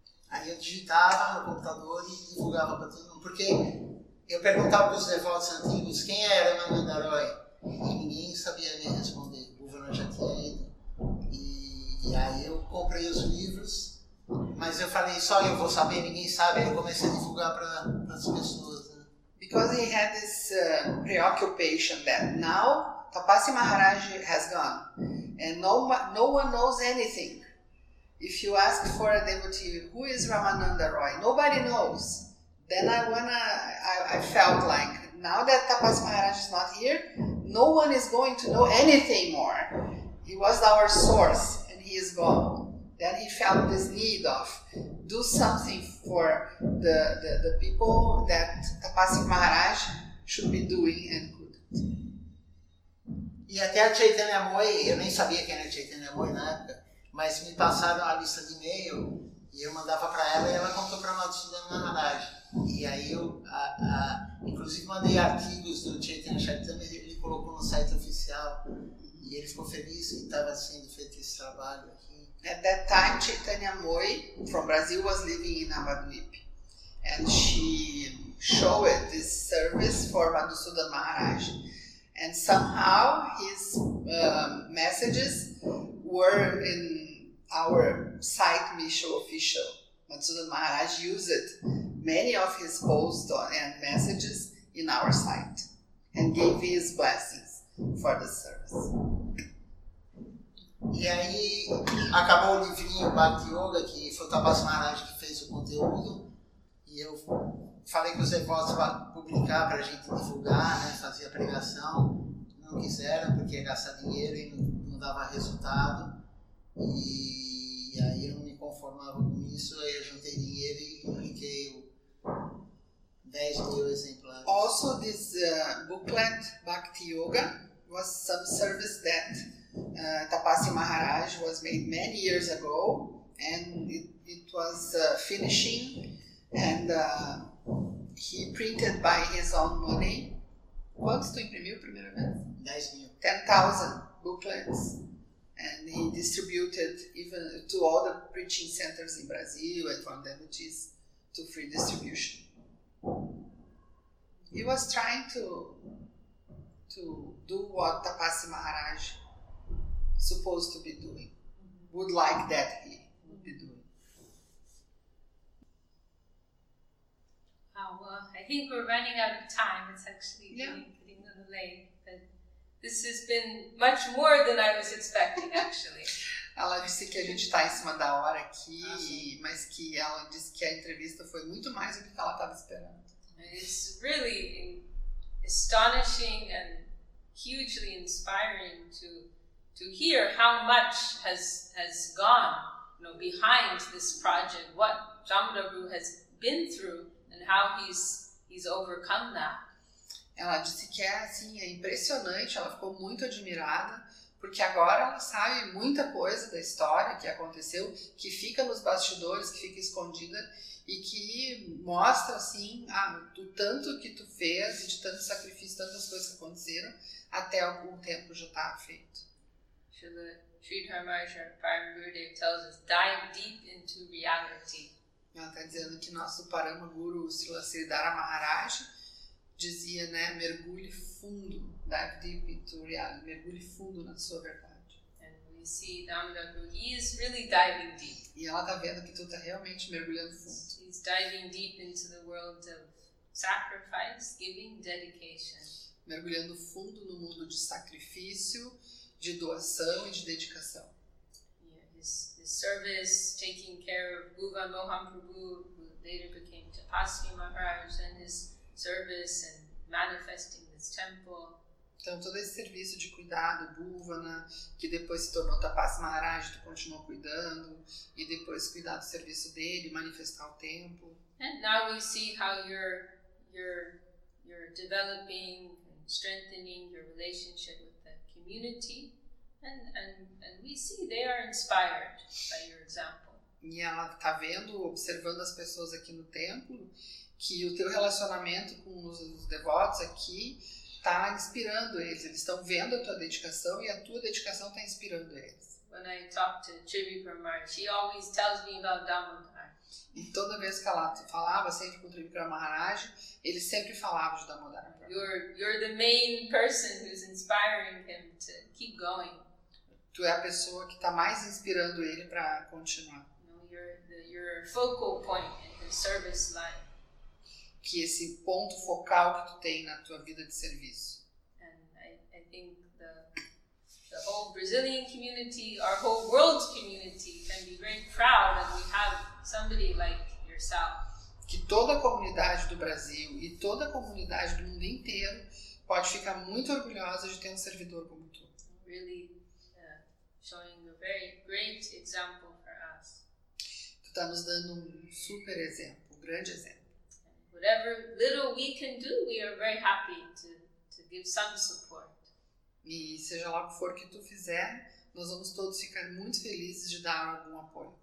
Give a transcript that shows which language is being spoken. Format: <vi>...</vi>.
<pt>Aí eu digitava no computador e divulgava para todo mundo, porque eu perguntava para os devotos antigos quem era o Mandaroi e ninguém sabia me responder, o governo já tinha ido. E aí eu comprei os livros, mas eu falei, só eu vou saber, ninguém sabe, aí eu comecei a divulgar para as pessoas. Né?</pt> <en>Because he had this preoccupation that now Tapasi Maharaj has gone and no one knows anything. If you ask for a devotee, who is Ramananda Roy? Nobody knows. Then I felt like, now that Tapas Maharaj is not here, no one is going to know anything more. He was our source and he is gone. Then he felt this need of do something for the people that Tapas Maharaj should be doing and couldn't.</en> <pt>E até a Chaitanya Moy, eu nem sabia quem era Chaitanya Moy na época. Mas me passaram a lista de e-mail e eu mandava para ela e ela contou para nós estudando na Maharaj. E aí eu, inclusive, mandei artigos do Chaitanya Charitamrita, ele colocou no site oficial e ele ficou feliz que estava sendo feito esse trabalho aqui.</pt> <en>At that time, Chaitanya Moy from Brazil was living in Navadvip. And she showed this service for Madhusudan Maharaj. And somehow his messages were in our site Misho official. Matsudan Maharaj used many of his posts and messages in our site and gave his blessings for the service.</en> <pt>E aí acabou o livrinho Bhakti Yoga, que foi o Tapas Maharaj que fez o conteúdo, e eu falei com os devotos para publicar, para a gente divulgar, né, fazer a pregação. Não quiseram porque ia gastar dinheiro e não dava resultado. E aí eu não me conformava com isso, aí eu juntei dinheiro e publiquei 10 mil exemplares.</pt> <en>Also, this booklet, Bhakti Yoga, was some service that Tapasi Maharaj was made many years ago, and it was finishing, and he printed by his own money.</en> <pt>Quantos tu imprimiu primeira vez? 10 mil.</pt> <en>10,000 booklets. And he distributed even to all the preaching centers in Brazil and from devotees to free distribution. He was trying to do what Tapasi Maharaj supposed to be doing, would like that he would be doing. Oh, well, I think we're running out of time. It's actually getting a little late. This has been much more than I was expecting, actually.</en> <pt>Ela disse que a gente está em cima da hora aqui, mas que ela disse que a entrevista foi muito mais do que ela estava esperando.</pt> <en>It's really astonishing and hugely inspiring to hear how much has gone, you know, behind this project, what Jamdabhu has been through and how he's he's overcome that.</en> <pt>Ela disse que é impressionante, ela ficou muito admirada, porque agora ela sabe muita coisa da história que aconteceu, que fica nos bastidores, que fica escondida, e que mostra, assim, o tanto que tu fez, de tanto sacrifício, tantas coisas que aconteceram, até algum tempo já tá feito.</pt> <en>Srila Sridhar Maharaja, Param Gurudev, tells us, dive deep into reality.</en> <pt>Ela está dizendo que nosso Parama Guru, Srila Sridhara Maharaja, dizia, né, mergulhe fundo,</pt> <en>dive deep into reality,</en> <pt>mergulhe fundo na sua verdade.</pt> <en>And we see Damodar Guru, he is really diving deep.</en> <pt>E ela está vendo que tu está realmente mergulhando fundo.</pt> <en>He's diving deep into the world of sacrifice, giving, dedication.</en> <pt>Mergulhando fundo no mundo de sacrifício, de doação e de dedicação.</pt> <en>Yeah, his service, taking care of Bhuva Mohanprabhu, who later became Tapasvi Maharaj, and his service and manifesting this temple.</en> <pt>Então, todo esse serviço de cuidado, Bhuvana, que depois se tornou Tapasvi Maharaj, tu continuou cuidando, e depois cuidar do serviço dele, manifestar o templo.</pt> <en>And now we see how you're developing, strengthening your relationship with the community, and we see they are inspired by your example.</en> <pt>E ela está vendo, observando as pessoas aqui no templo, que o teu relacionamento com os devotos aqui está inspirando eles. Eles estão vendo a tua dedicação e a tua dedicação está inspirando eles.</pt> <en>When I talk to Trivi Pramar, she always tells me about Damodar.</en> <pt>E toda vez que ela falava sempre com Trivi Pramaraj, ele sempre falava de Damodar.</pt> <en>You're the main person who's inspiring him to keep going.</en> <pt>Tu é a pessoa que está mais inspirando ele para continuar.</pt> <en>No, you're a focal point in his service life.</en> <pt>Que esse ponto focal que tu tem na tua vida de serviço.</pt> <en>And I think the whole Brazilian community, our whole world community, can be very proud that we have somebody like yourself.</en> <pt>Que toda a comunidade do Brasil e toda a comunidade do mundo inteiro pode ficar muito orgulhosa de ter um servidor como tu.</pt> <en>Really, showing a very great example for us.</en> <pt>Tu tá nos dando um super exemplo, um grande exemplo.</pt> <en>Whatever little we can do, we are very happy to give some support.</en> <pt>E seja lá o que for que tu fizer, nós vamos todos ficar muito felizes de dar algum apoio.</pt>